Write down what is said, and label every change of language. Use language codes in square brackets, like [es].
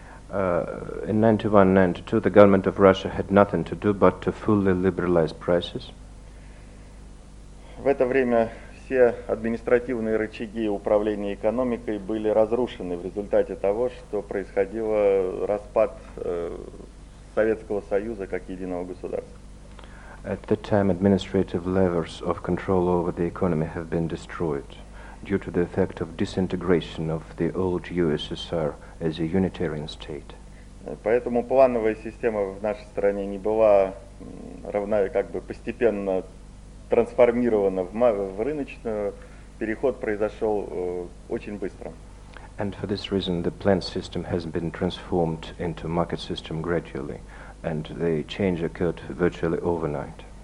[en] In 91-92, the government of Russia had nothing to do but to fully liberalize prices. [ru] В это время все административные рычаги управления экономикой были разрушены в результате того, что происходило распад Советского Союза как единого государства. [en] At the time, administrative levers of control over the economy have been destroyed due to the effect of disintegration of the old USSR as a unitary state. [ru] Поэтому плановая система в нашей стране не была равна, как бы постепенно трансформировано в рыночную, переход произошел очень быстро. [en] And for this reason, the plan system has been transformed into market system gradually, and the change occurred virtually overnight.